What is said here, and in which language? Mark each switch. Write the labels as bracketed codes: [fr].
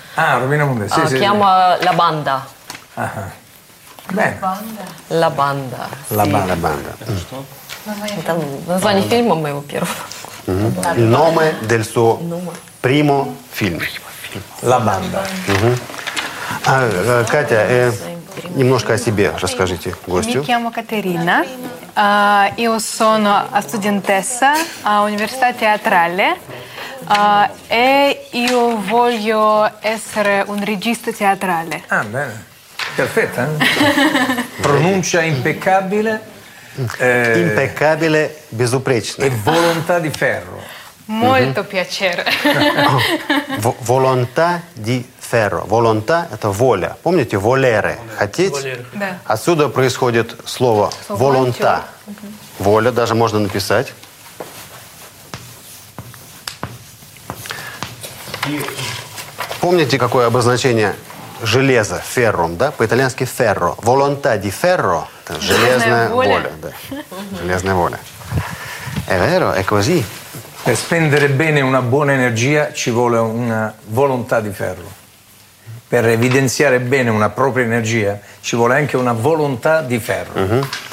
[it] Ah, Romina Mondello, sì, sì. Chiama sì. La Banda. Ah, bene. La Banda. La Banda. La Banda. Questo? Sì. Mm. Non so il film, ma è il primo. Il nome del suo primo film. La Banda. [ru] Катя, немножко о себе расскажите гостю. Меня зовут Катерина. [it] Io sono studentessa a Università Teatrale e io voglio essere un regista teatrale. Ah, bene. Perfetto. Pronuncia impeccabile. Impeccabile, [ru] безупречно. [it] E volontà di ferro. Molto mm-hmm. piacere. Volontà di ferro. [ru] Volontà – это воля. Помните? Volere – хотеть. Да. Отсюда происходит слово «волонта». Воля, даже можно написать. Помните, какое обозначение железа, феррум, да? По-итальянски ferro. [it] Volontà di ferro. [ru] Это железная воля. Да. Железная воля. [it] È vero, è così. Per spendere bene una buona energia ci vuole una volontà di ferro. Per evidenziare bene una propria energia ci vuole anche una volontà di ferro.